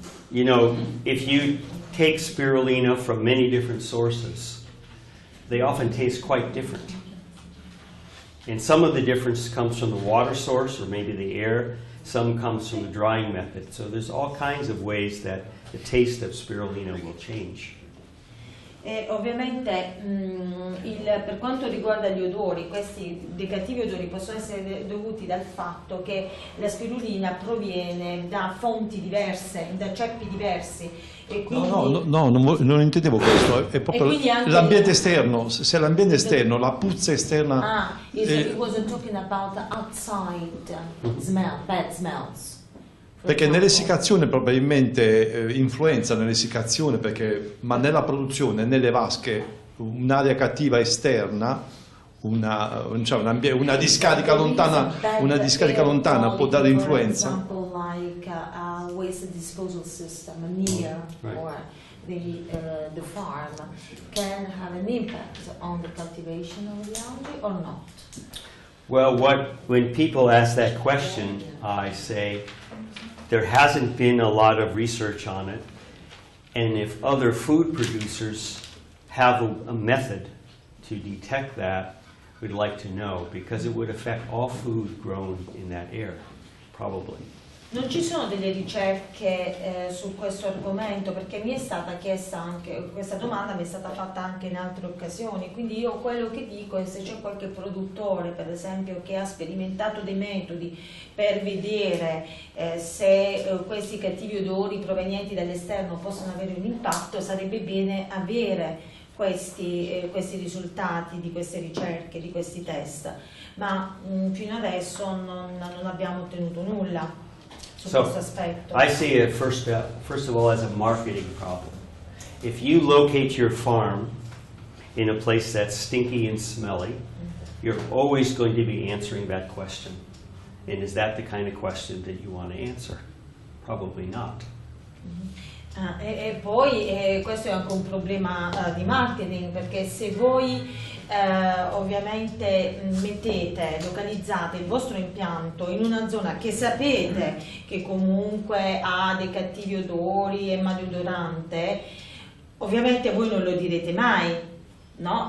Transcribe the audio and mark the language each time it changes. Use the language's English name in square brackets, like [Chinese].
[English] You know, if you take spirulina from many different sources, they often taste quite different. And some of the difference comes from the water source or maybe the air, some comes from the drying method. So there's all kinds of ways that the taste of spirulina will change. [Italian] E ovviamente per quanto riguarda gli odori, questi dei cattivi odori possono essere dovuti dal fatto che la spirulina proviene da fonti diverse, da ceppi diversi. Non intendevo questo, è proprio l'ambiente esterno. Se l'ambiente esterno, la puzza esterna. [English] He wasn't talking about the outside smell, bad smells. [Italian] Perché nell'essiccazione probabilmente influenza nell'essiccazione, perché, ma nella produzione, nelle vasche, un'aria cattiva esterna, una discarica lontana, può dare influenza. [English] For example, like a waste disposal system near the farm can have an impact on the cultivation of the algae or not? Well, when people ask that question, I say there hasn't been a lot of research on it, and if other food producers have a method to detect that, we'd like to know, because it would affect all food grown in that area, probably. [Italian] Non ci sono delle ricerche su questo argomento, perché mi è stata chiesta anche questa domanda, mi è stata fatta anche in altre occasioni, quindi io quello che dico è, se c'è qualche produttore per esempio che ha sperimentato dei metodi per vedere se questi cattivi odori provenienti dall'esterno possono avere un impatto, sarebbe bene avere questi risultati di queste ricerche, di questi test, ma fino adesso non abbiamo ottenuto nulla. [English] So I see it first of all as a marketing problem. If you locate your farm in a place that's stinky and smelly, you're always going to be answering that question. And is that the kind of question that you want to answer? Probably not. [Italian] E poi questo è anche un problema di marketing, perché se voi ovviamente localizzate il vostro impianto in una zona che sapete che comunque ha dei cattivi odori e maleodorante, ovviamente voi non lo direte mai, no?